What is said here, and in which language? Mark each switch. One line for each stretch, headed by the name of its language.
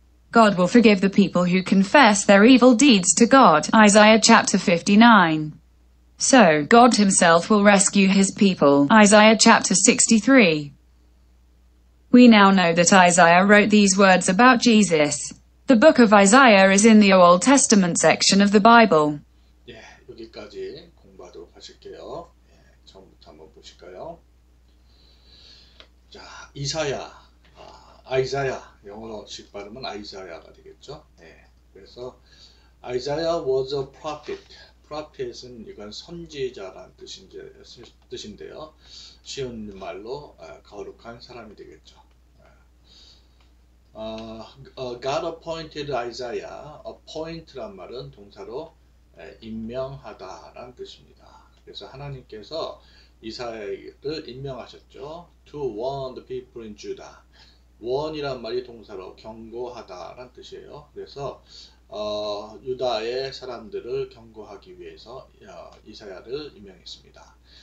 English: God will forgive the people who confess their evil deeds to God, Isaiah chapter 59. So, God himself will rescue his people, Isaiah chapter 63. We now know that Isaiah wrote these words about Jesus. The book of Isaiah is in the Old Testament section of the Bible.
Korean: 예, 여기까지 공부하도록 하실게요. 예, 처음부터 한번 보실까요? 자, 이사야, 아이사야, 영어식 발음은 아이사야가 되겠죠? 예, 그래서
English: Isaiah was a prophet.
Korean: Prophet은 이건 선지자란 뜻인데요. 쉬운 말로 거룩한 사람이 되겠죠.
English: God appointed Isaiah.
Korean: Appoint란 말은 동사로 임명하다란 뜻입니다. 그래서 하나님께서 이사야를 임명하셨죠.
English: To warn the people in Judah.
Korean: Warn이란 말이 동사로 경고하다란 뜻이에요. 그래서 유다의 사람들을 경고하기 위해서 이사야를 임명했습니다.